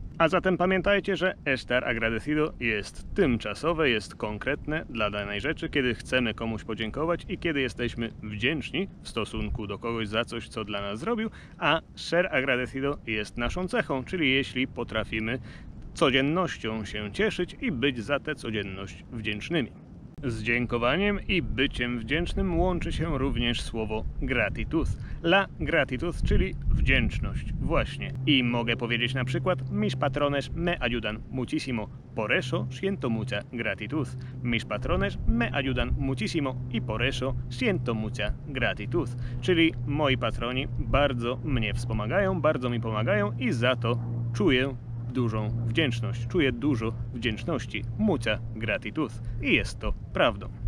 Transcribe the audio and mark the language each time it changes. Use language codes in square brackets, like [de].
[pl] A zatem pamiętajcie, że estar agradecido jest tymczasowe, jest konkretne dla danej rzeczy, kiedy chcemy komuś podziękować i kiedy jesteśmy wdzięczni w stosunku do kogoś za coś, co dla nas zrobił, a ser agradecido jest naszą cechą, czyli jeśli potrafimy codziennością się cieszyć i być za tę codzienność wdzięcznymi. Z dziękowaniem i byciem wdzięcznym łączy się również słowo gratitud. La gratitud, czyli wdzięczność. Właśnie. I mogę powiedzieć na przykład: [es] mis patrones me ayudan muchísimo. Por eso siento mucha gratitud. Mis patrones me ayudan muchísimo y por eso siento mucha gratitud. [pl] Czyli moi patroni bardzo mnie wspomagają, bardzo mi pomagają i za to czuję dużą wdzięczność. Czuję dużo wdzięczności. [es] Mucha gratitud. [pl] I jest to prawdą.